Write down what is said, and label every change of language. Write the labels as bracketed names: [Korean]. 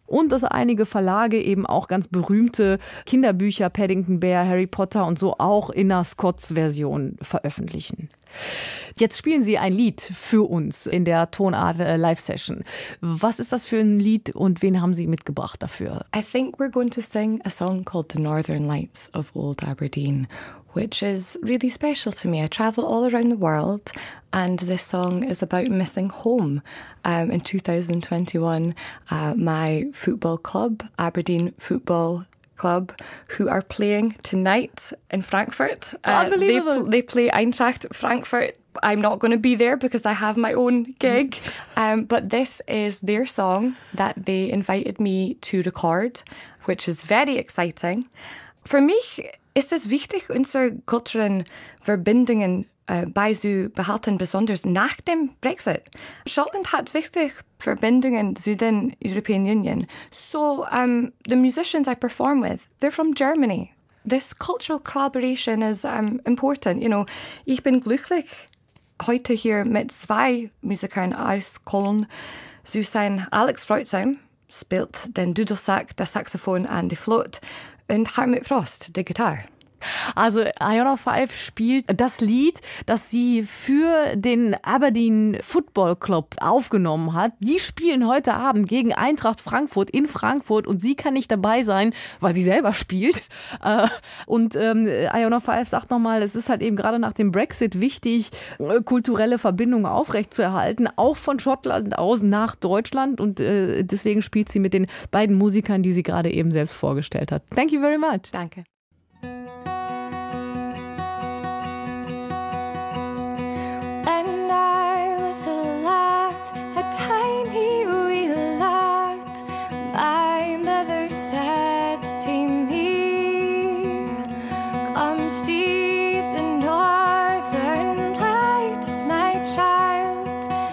[German] Und dass einige Verlage eben auch ganz berühmte Kinderbücher, Paddington Bear, Harry Potter und so auch in der Scots-Version veröffentlichen. Jetzt spielen Sie ein Lied für uns in der Tonart Live-Session. Was ist das für ein Lied und wen haben Sie mitgebracht dafür? [English] I think we're going to sing a song called The Northern Lights of Old Aberdeen, which is really special to me. I travel all around the world and this song is about missing home. In 2021, my football club, Aberdeen Football Club, who are playing tonight in Frankfurt. Unbelievable. They play Eintracht Frankfurt. I'm not going to be there because I have my own gig. But this is their song that they invited me to record, which is very exciting. [German] Für mich ist es wichtig, unsere Kulturen Verbindungen beizubehalten, besonders nach dem Brexit. Schottland hat wichtig Verbindungen zu den European Union. [English] So the musicians I perform with, they're from Germany. This cultural collaboration is important. You know, [German] ich bin glücklich, heute hier mit zwei Musikern aus Köln zu sein. Alex Froitzheim spielt den Dudelsack, das Saxophon und die Flöte und Hartmut Frost, die Gitarre. Also Iona Fyfe spielt das Lied, das sie für den Aberdeen Football Club aufgenommen hat. Die spielen heute Abend gegen Eintracht Frankfurt in Frankfurt und sie kann nicht dabei sein, weil sie selber spielt. Und Iona Fyfe sagt nochmal, es ist halt eben gerade nach dem Brexit wichtig, kulturelle Verbindungen aufrechtzuerhalten, auch von Schottland aus nach Deutschland. Und deswegen spielt sie mit den beiden Musikern, die sie gerade eben selbst vorgestellt hat. [English] Thank you very much. [German] Danke. [English] And I was a lad, a tiny wee lad. My mother said to me, come see the northern lights, my child.